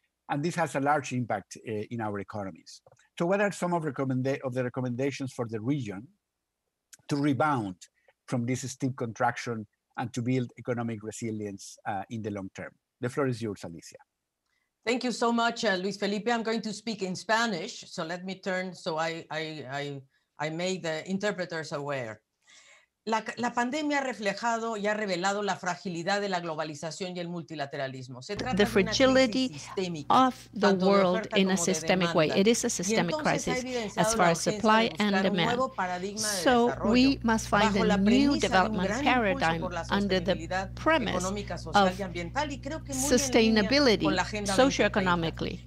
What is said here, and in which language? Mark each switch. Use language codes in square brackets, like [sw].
[en] And this has a large impact in our economies. So what are some of the recommendations for the region to rebound from this steep contraction and to build economic resilience in the long term? The floor is yours, Alicia. Thank you so much, Luis Felipe. I'm going to speak in Spanish, so let me turn so I make the interpreters aware. [es] La pandemia ha reflejado y ha revelado la fragilidad de la globalización y el multilateralismo. [en] The fragility of the world in a systemic way. It is a systemic crisis as far as supply and demand. So we must find a new development paradigm under the premise of sustainability socioeconomically.